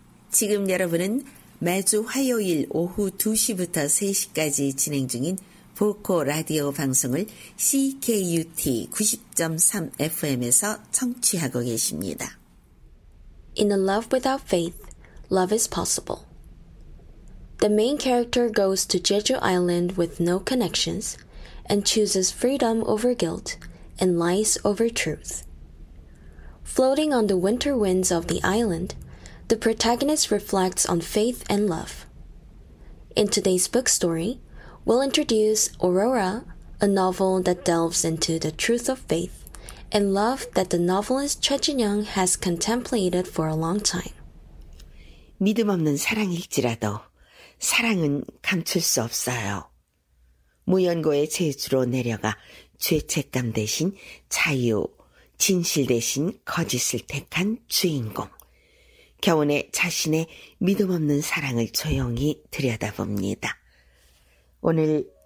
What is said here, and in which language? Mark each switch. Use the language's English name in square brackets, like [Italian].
[Korean] 지금 여러분은 매주 화요일 오후 2시부터 3시까지 진행 중인 보코 라디오 방송을 CKUT 90.3 FM에서 청취하고 계십니다. [English] In a love without faith, love is possible. The main character goes to Jeju Island with no connections and chooses freedom over guilt and lies over truth. Floating on the winter winds of the island, the protagonist reflects on faith and love. In today's book story, we'll introduce Aurora, a novel that delves into the truth of faith and love that the novelist Choi Jin-young has contemplated for a long time. [Korean] 믿음 없는 사랑일지라도 사랑은 감출 수 없어요. 무연고의 제주로 내려가 죄책감 대신 자유, 진실 대신 거짓을 택한 주인공. 겨우내 자신의 믿음 없는 사랑을 조용히 들여다봅니다. 오늘